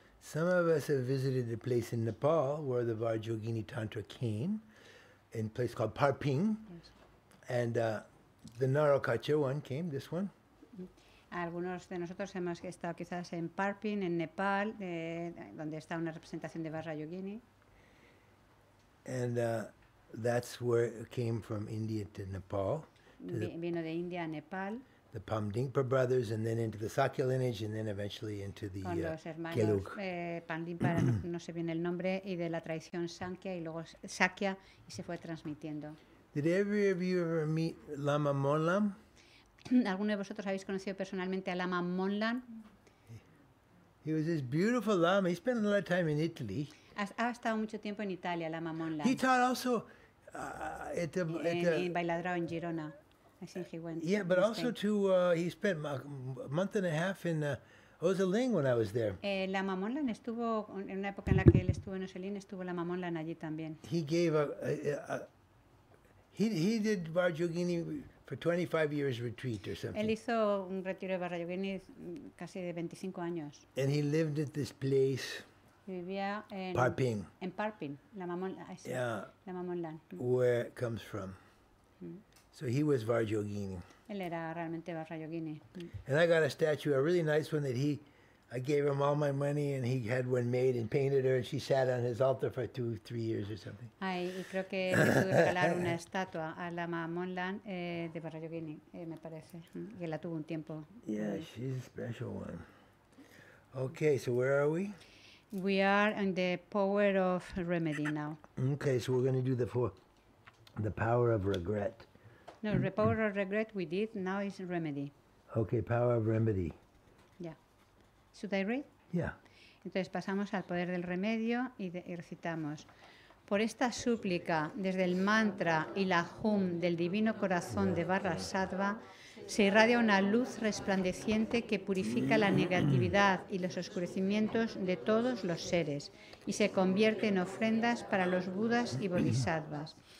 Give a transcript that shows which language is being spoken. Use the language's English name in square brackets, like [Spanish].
[English] Some of us have visited a place in Nepal where the Vajrayogini Tantra came, in a place called Parping. Yes. And the Narokacha one came, this one. [Spanish] Algunos de nosotros hemos estado quizás en Parping, en Nepal, donde está una representación de Vajrayogini. [English] And that's where it came from, India to Nepal. [Spanish] Vino de India a Nepal. [English] The Pandimpa brothers, and then into the Sakya lineage, and then eventually into the Keluk. [Spanish] Con los hermanos Pandimpa, no sé bien el nombre, y de la tradición Sankhya, y luego Sakya, y se fue transmitiendo. [English] Did every of you ever meet Lama Monlam? [Spanish] ¿Alguno de vosotros habéis conocido personalmente a Lama Monlam? [English] He was this beautiful Lama. He spent a lot of time in Italy. [Spanish] Ha estado mucho tiempo en Italia, Lama Monlam. [English] He taught also [Spanish] en Bailadrao, en Girona. [English] Yeah, but also too, he spent a month and a half in Ozaling when I was there. [Spanish] Lama Monlan estuvo en una época en la que él estuvo en Ozaling, estuvo Lama Monlan allí también. [English] He gave he did Vajrayogini for 25 years retreat or something. [Spanish] Él hizo un retiro de Vajrayogini casi de 25 años. [English] And he lived at this place. [Spanish] Vivía en Parping. En Parping, Lama Monlan. [English] Yeah. Lama Monlan. Where it comes from. So he was Vajrayogini. [Spanish] Él era realmente Vajrayogini. [English] And I got a statue, a really nice one that he, I gave him all my money and he had one made and painted her and she sat on his altar for 2-3 years or something. [Spanish] Ay, y creo que le pude regalar una estatua a Lama Monlan de Vajrayogini, me parece. Y la tuvo un tiempo. [English] Yeah, she's a special one. Okay, so where are we? We are in the power of remedy now. Okay, so we're going to do the power of regret. No, the power of regret we did, now is remedy. Okay, power of remedy. Yeah. Should I read? Yeah. [Spanish] Entonces pasamos al poder del remedio y recitamos. Por esta súplica, desde el mantra y la hum del divino corazón de Vajrasattva, se irradia una luz resplandeciente que purifica la negatividad y los oscurecimientos de todos los seres y se convierte en ofrendas para los budas y bodhisattvas.